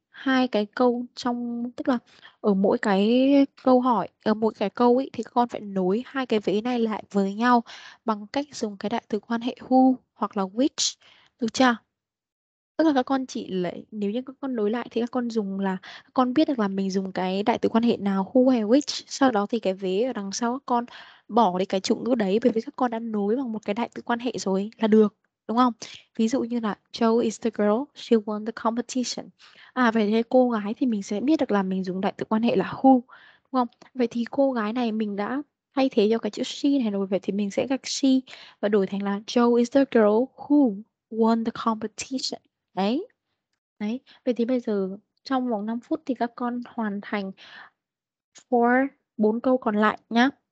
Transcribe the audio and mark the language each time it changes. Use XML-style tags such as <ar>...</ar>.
<vi>Hai cái câu trong, tức là ở mỗi cái câu hỏi, ở mỗi cái câu ý, thì các con phải nối hai cái vế này lại với nhau bằng cách dùng cái đại từ quan hệ who hoặc là which, được chưa? Tức là các con chỉ lấy, nếu như các con nối lại thì các con dùng là, các con biết được là mình dùng cái đại từ quan hệ nào, who hay which, sau đó thì cái vế ở đằng sau các con bỏ đi cái chủ ngữ đấy, bởi vì các con đã nối bằng một cái đại từ quan hệ rồi là được. Đúng không? Ví dụ như là</vi> <en>Joe is the girl, she won the competition.</en> <vi>À, vậy thì cô gái thì mình sẽ biết được là mình dùng đại từ quan hệ là who. Đúng không? Vậy thì cô gái này mình đã thay thế cho cái chữ she này rồi. Vậy thì mình sẽ gạch she và đổi thành là</vi> <en>Joe is the girl who won the competition.</en> <vi>Đấy. Đấy. Vậy thì bây giờ trong vòng 5 phút thì các con hoàn thành 4 câu còn lại nhá.</vi>